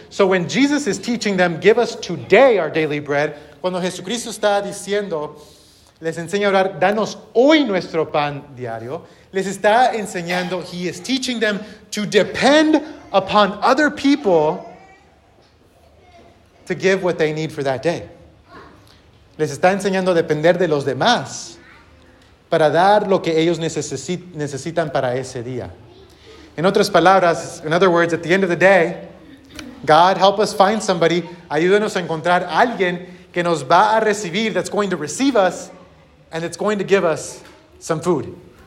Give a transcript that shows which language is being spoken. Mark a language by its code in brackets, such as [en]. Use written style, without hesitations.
[en] So when Jesus is teaching them, give us today our daily bread, [es] cuando Jesucristo está diciendo, les enseña a orar, danos hoy nuestro pan diario, les está enseñando, [en] he is teaching them to depend upon other people to give what they need for that day. [es] Les está enseñando a depender de los demás para dar lo que ellos necesitan para ese día. [en] In [es] otras palabras, [en] in other words, at the end of the day, God, help us find somebody. [es] Ayúdenos a encontrar alguien que nos va a recibir, [en] that's going to receive us, and it's going to give us some food.